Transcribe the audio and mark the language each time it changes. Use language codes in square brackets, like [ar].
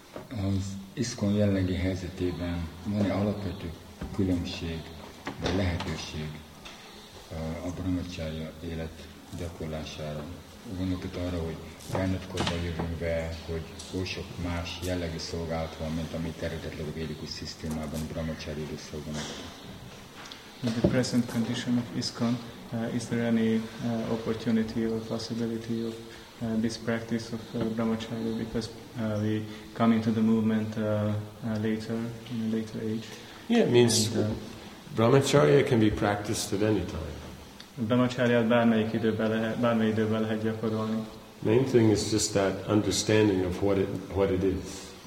[hu] Az ISKCON jelenlegi helyzetében van-e alapvető különbség, de lehetőség a Brahmacharya élet gyakorlására? Gondolok itt arra, hogy felnőttkorban jövünk be, hogy oly sok más jellegű szolgálat van, mint amit eredetleg a védikus szisztémában a Brahmacharya időszakban. [en] In the present condition of ISKCON, is there any opportunity or possibility of this practice of brahmacharya, because we come into the movement later, in a later age? Yeah, it means brahmacharya can be practiced at any time. [hu] Brahmacharyát bármely időben lehet gyakorolni. [en] Main thing is just that understanding of what it is.